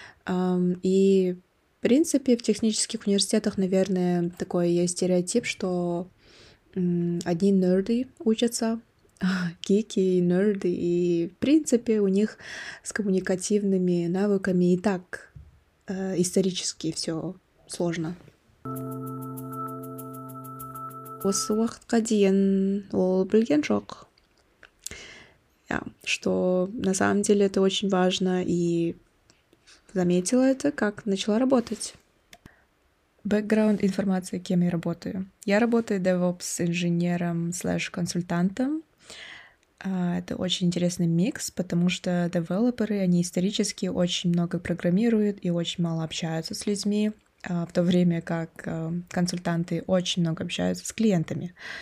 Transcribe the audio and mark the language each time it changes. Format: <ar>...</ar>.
<ru>И, в принципе, в технических университетах, наверное, такой есть стереотип, что одни нерды учатся. Гики, нерды, и в принципе у них с коммуникативными навыками и так исторически все сложно.</ru> <kk>Осы уақытқа дейін ол білген жоқ.</kk> <ru>Что на самом деле это очень важно, и заметила это, как начала работать. Бэкграунд информации, кем я работаю. Я работаю DevOps-инженером слэш-консультантом. Это очень интересный микс, потому что девелоперы, они исторически очень много программируют и очень мало общаются с людьми, в то время как консультанты очень много общаются с клиентами.</ru>